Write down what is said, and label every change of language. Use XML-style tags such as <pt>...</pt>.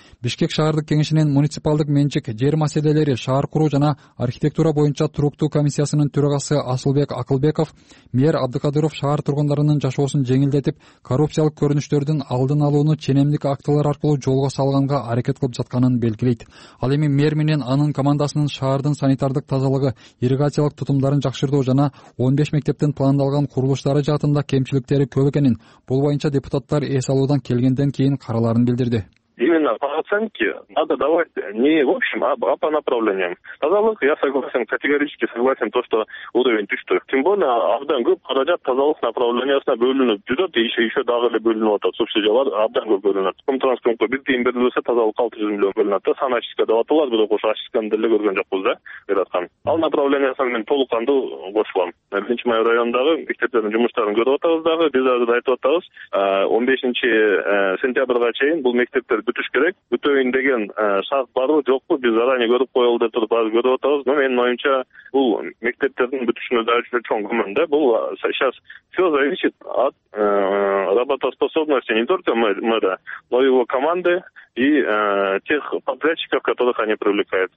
<ky>Бишкек шаардык кеңешинин муниципалдык менчик, жер маселелери, шаар куруу жана архитектура боюнча туруктуу комиссиясынын төрагасы Асылбек Акылбеков мэр Абдыкадыров шаар тургундарынын жашоосун жеңилдетип, коррупциялык көрүнүштөрдүн алдын алууну ченемдик актылар аркылуу жолго салганга аракет кылып жатканын белгилейт. Ал эми мэр менен анын командасынын шаардын санитардык тазалыгы, ирригациялык тутумдарын жакшыртуу жана 15 мектептин пландалган курулуштары жаатында кемчиликтери көп экенин, бул боюнча депутаттар эс алуудан келгенден кийин карааларын билдирди.</ky> <ru>Именно по оценке надо давать не в общем, а по направлениям. Тазалык, я согласен, категорически согласен, то, что уровень тустой.</ru> <ky>Тем более, абдан көп каражат тазалык направлениясына бөлүнүп жүрөт, еще дагы эле бөлүнүп атат, субсидиялар абдан көп бөлүнөт. Комтранспортко 1 тыйын берилбесе тазалык 600 миллион бөлүнөт да, санчистка деп аталат, бирок ошо очистканы деле көргөн жокпуз да, бераткан. Ал направлениясына мен толук кандуу кошулам. 1-май райондагы мектептердин жумуштарын көрүп атабыз дагы, биз азыр айтып атабыз, 15-сентябрга чейин бул мектептер бүтүш керек. Бүтөйүн деген шарт барбы, жокпу, биз заранее көрүп коелу деп туруп азыр көрүп атабыз. Но менин оюмча бул мектептердин бүтүшүнө даже чоң көмөн да.</ky> <ru>Бул сейчас все зависит от работоспособности не только мэра, но и его команды и тех подрядчиков, которых они привлекают.</ru>